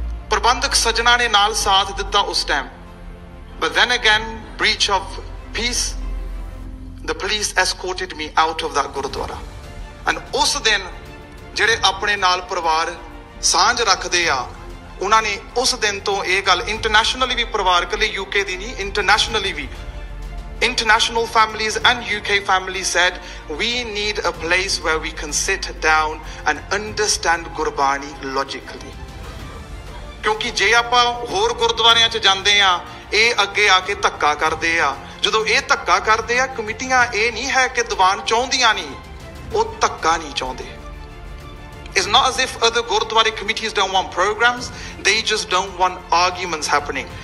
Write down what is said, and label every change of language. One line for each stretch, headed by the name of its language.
Punjabi: ਪ੍ਰਬੰਧਕ ਸੱਜਣਾ ਨੇ ਨਾਲ ਸਾਥ ਦਿੱਤਾ ਉਸ time,
English: But then again breach of peace, the police escorted me out of the gurdwara.
Punjabi: And ਉਸ ਦਿਨ ਜਿਹੜੇ ਆਪਣੇ ਨਾਲ ਪਰਿਵਾਰ ਸਾਂਝ ਰੱਖਦੇ ਆ, ਉਹਨਾਂ ਨੇ ਉਸ ਦਿਨ ਤੋਂ ਇਹ ਗੱਲ ਇੰਟਰਨੈਸ਼ਨਲੀ ਵੀ, ਪਰਿਵਾਰ ਇਕੱਲੇ ਯੂਕੇ ਦੀ ਨਹੀਂ, internationally we,
English: international families and UK families said, we need a place where we can sit down and understand Gurbani logically.
Punjabi: ਕਿਉਂਕਿ ਜੇ ਆਪਾਂ ਹੋਰ ਗੁਰਦੁਆਰਿਆਂ 'ਚ ਜਾਂਦੇ ਹਾਂ, ਇਹ ਅੱਗੇ ਆ ਕੇ ਧੱਕਾ ਕਰਦੇ ਆ, ਜਦੋਂ ਇਹ ਧੱਕਾ ਕਰਦੇ ਆ, ਕਮੇਟੀਆਂ ਇਹ ਨਹੀਂ ਹੈ ਕਿ ਦੀਵਾਨ ਚਾਹੁੰਦੀਆਂ ਨਹੀਂ, ਉਹ ਧੱਕਾ ਨਹੀਂ ਚਾਹੁੰਦੇ.
English: It's not as if other Gurdwara committees don't want programs, they just don't want arguments happening.